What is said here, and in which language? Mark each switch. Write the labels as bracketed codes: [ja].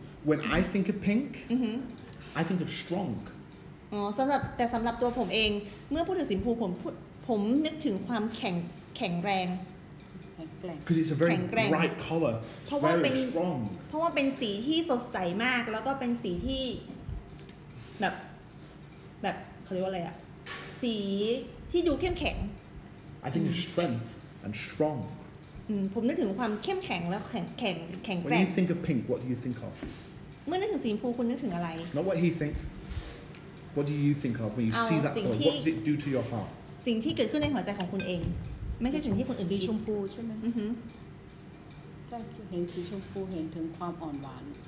[en] When I think of pink, I think of strong. [th] สำหรับแต่สำหรับตัวผมเองเมื่อพูดถึงสีชมพูผมนึกถึงความแข็งแรง [en] Because it's a very bright color, very strong. [th] เพราะว่าเป็นสีที่สดใสมากแล้วก็เป็นสีที่แบบเขาเรียกว่าอะไรอะสีที่ดูเข้มแข็ง [en] I think it's strength and strong. [th] ผมนึกถึงความเข้มแข็งแล้วแข็งแกร่ง [en] When you think of pink, what do you think of? [th] เมื่อนึกถึงสีชมพูคุณนึกถึงอะไร [en] Not what he thinks. What do you think of when you see that color? What does it do to your heart? [th] สิ่งที่เกิดขึ้นในหัวใจของคุณเองไม่ใช่ถึงที่คนอื่น สีชมพูใช่ไหมถ้าเห็นสีชมพูเห็นถึงความอ่อนหวาน